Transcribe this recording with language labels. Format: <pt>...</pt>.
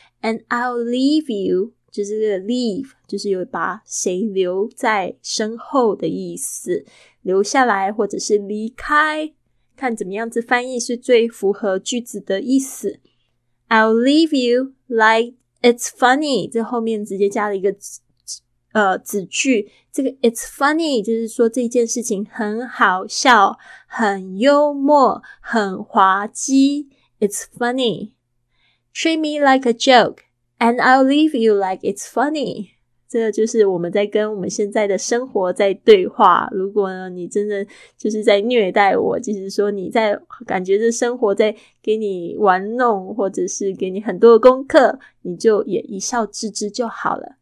<en>and I'll leave you，</en> <zh>就是这个 leave 就是有把谁留在身后的意思，留下来或者是离开，看怎么样子翻译是最符合句子的意思。</zh> <en>I'll leave you like it's funny，</en> <zh>这后面直接加了一个子句，这个 it's funny 就是说这件事情很好笑，很幽默，很滑稽。</zh> <en>It's funny. Treat me like a joke and I'll leave you like it's funny。</en> <zh>这就是我们在跟我们现在的生活在对话。如果呢你真的就是在虐待我，就是说你在感觉这生活在给你玩弄，或者是给你很多的功课，你就也一笑置之就好了。</zh>